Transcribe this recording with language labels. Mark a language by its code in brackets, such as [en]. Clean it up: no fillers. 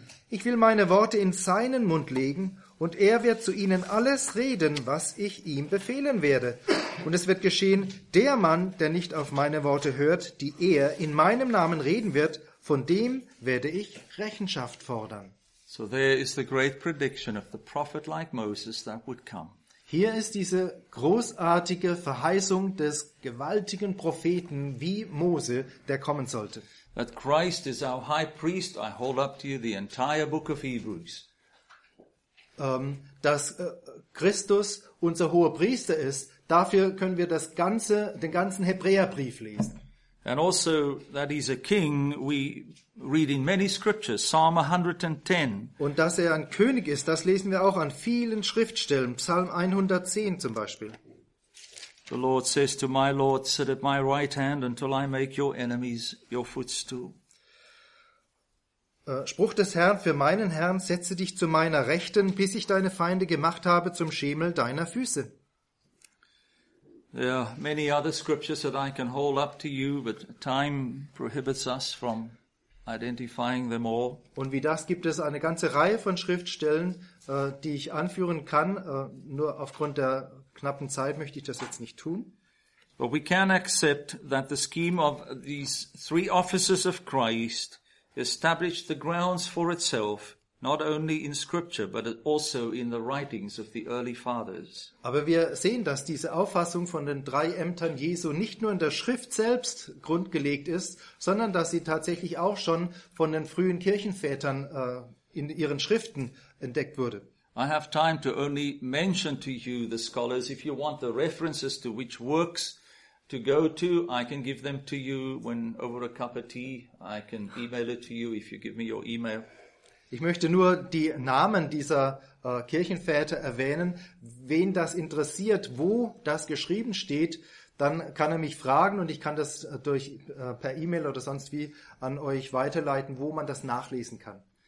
[de] Ich will meine Worte in seinen Mund legen, und er wird zu ihnen alles reden, was ich ihm befehlen werde. Und es wird geschehen, der Mann, der nicht auf meine Worte hört, die er in meinem Namen reden wird, von dem werde ich Rechenschaft fordern. [en] So there is the great prediction of the prophet like Moses that would come. [de] Hier ist diese großartige Verheißung des gewaltigen Propheten wie Mose, der kommen sollte. [en] That Christ is our high priest, I hold up to you the entire book of Hebrews. [de] Dass Christus unser hoher Priester ist, dafür können wir den ganzen Hebräerbrief lesen. [en] And also that he's a king, we read in many scriptures, Psalm 110. [de] Und dass er ein König ist, das lesen wir auch an vielen Schriftstellen, Psalm 110 zum Beispiel. [en] The Lord says to my Lord, sit at my right hand until I make your enemies your footstool. [de] Spruch des Herrn für meinen Herrn, setze dich zu meiner Rechten, bis ich deine Feinde gemacht habe zum Schemel deiner Füße. [en] There are many other scriptures that I can hold up to you, but time prohibits us from identifying them all. [de] Und wie das gibt es eine ganze Reihe von Schriftstellen, die ich anführen kann, nur aufgrund der knappen Zeit möchte ich das jetzt nicht tun. [en] But we can accept that the scheme of these three offices of Christ established the grounds for itself, not only in Scripture, but also in the writings of the early fathers. [de] Aber wir sehen, dass diese Auffassung von den drei Ämtern Jesu nicht nur in der Schrift selbst grundgelegt ist, sondern dass sie tatsächlich auch schon von den frühen Kirchenvätern in ihren Schriften entdeckt wurde. [en] I have time to only mention to you the scholars. If you want the references to which works to go to, I can give them to you when over a cup of tea. I can email it to you if you give me your email. [de] Ich möchte nur die Namen dieser Kirchenväter erwähnen. Wen das interessiert, wo das geschrieben steht, dann kann er mich fragen und ich kann das durch per E-Mail oder sonst wie an euch weiterleiten, wo man das nachlesen kann.